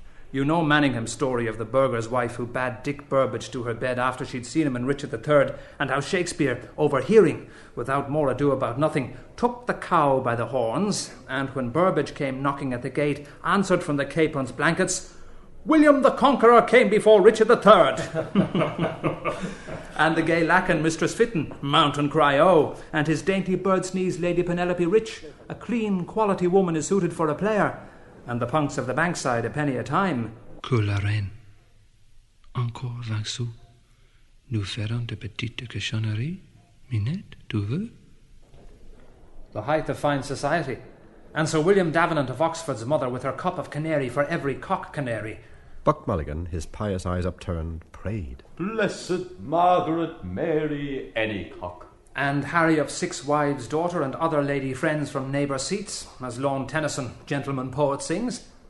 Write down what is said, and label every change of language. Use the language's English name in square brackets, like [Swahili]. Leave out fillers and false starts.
[English] You know Manningham's story of the burgher's wife who bade Dick Burbage to her bed after she'd seen him in Richard III, and how Shakespeare, overhearing, without more ado about nothing, took the cow by the horns, and when Burbage came knocking at the gate, answered from the capon's blankets, William the Conqueror came before Richard III. And the gay lackin, Mistress Fitton, mountain cry o, and his dainty bird's knees, Lady Penelope Rich, a clean, quality woman is suited for a player, and the punks of the bankside a penny a time. [French] Que la reine, encore 20 sous, nous ferons de petites cochonneries, Minette, tu veux? [English] The height of fine society, and Sir William Davenant of Oxford's mother with her cup of canary for every cock canary. Buck Mulligan, his pious eyes upturned, prayed. Blessed Margaret Mary Anycock. And Harry of Six Wives' Daughter and other lady friends from neighbour seats, as Lawn Tennyson, gentleman poet, sings.